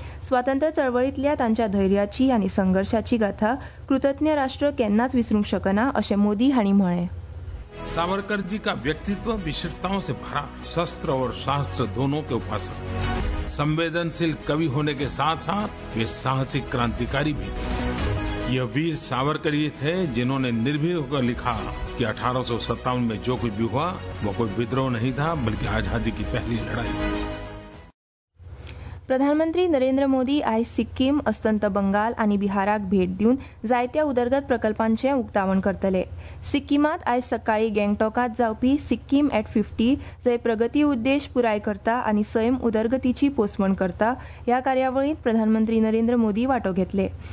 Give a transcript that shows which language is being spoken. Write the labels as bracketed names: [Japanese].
[Goan Konkani] स्वातंत्र्य चळवळीतल्या तांच्या धैर्याची आनी संघर्षाची गाथा कृतज्ञ राष्ट्र केन्नाच विसरूंक शकना असे मोदी हांणी म्हळें. [Hindi] सावरकर जी का व्यक्तित्व विशेषताओं से भरा, शस्त्र और शास्त्र दोनों के उपासक. संवेदनशील कवि होने के साथ साथ वे साहसिक क्रांतिकारी भी थे. यह वीर सावरकर ही थे जिन्होंने निर्भीक होकर लिखा कि 1857 में जो कुछ भी हुआ वो कोई विद्रोह नहीं था बल्कि आजादी की पहली लड़ाई थी. [Goan Konkani] प्रधानमंत्री नरेंद्र मोदी आयज सिक्कीम, अस्तंत बंगाल आणि बिहाराक भेट दिवन जायत्या उदरगत प्रकल्पांचे उक्तावण करतले. सिक्कीमात आयज सकाळी गँगटॉकात जावपी सिक्कीम एट 50 जय प्रगती उद्देश पुराय करता आणि सैम उदरगतीची पोसवण करता या कार्यावळीत प्रधानमंत्री नरेंद्र मोदी वाटो घेतले.